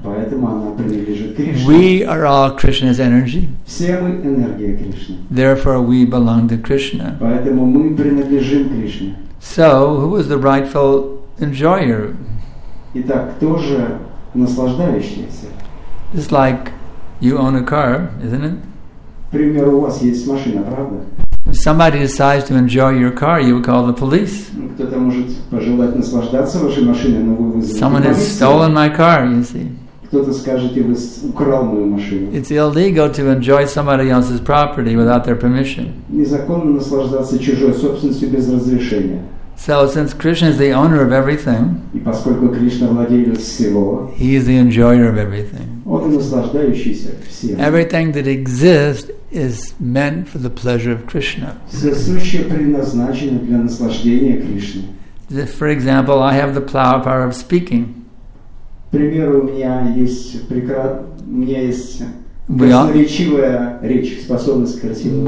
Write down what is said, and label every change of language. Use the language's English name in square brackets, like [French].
[Russian] Поэтому она принадлежит [English] Кришне. We are all Krishna's energy. [Russian] Все мы энергия Кришны. [English] Therefore, we belong to Krishna. [Russian] Поэтому мы принадлежим Кришне. [English] So, who is the rightful enjoyer? [Russian] Итак, кто же наслаждающийся? [English] It's like you own a car, isn't it? [Russian] Например, у вас есть машина, правда? [English] If somebody decides to enjoy your car, you would call the police. [Russian] Кто-то может пожелать наслаждаться вашей машиной, но вы вызовете полицию. [English] Someone has stolen my car, you see. [Russian] Кто-то скажет, вы украл мою машину. [English] It's illegal to enjoy somebody else's property without their permission. [Russian] Незаконно наслаждаться чужой собственностью без разрешения. [English] So since Krishna is the owner of everything, [Russian] и поскольку Кришна владелец всего, [English] he is the enjoyer of everything. [Russian] Он наслаждающийся всем. [English] Everything that exists is meant for the pleasure of Krishna. [Russian] Все сущее предназначено для наслаждения Кришны. [English] For example, I have the power of speaking. [Russian] К примеру, у меня есть красноречивая речь, способность красивого.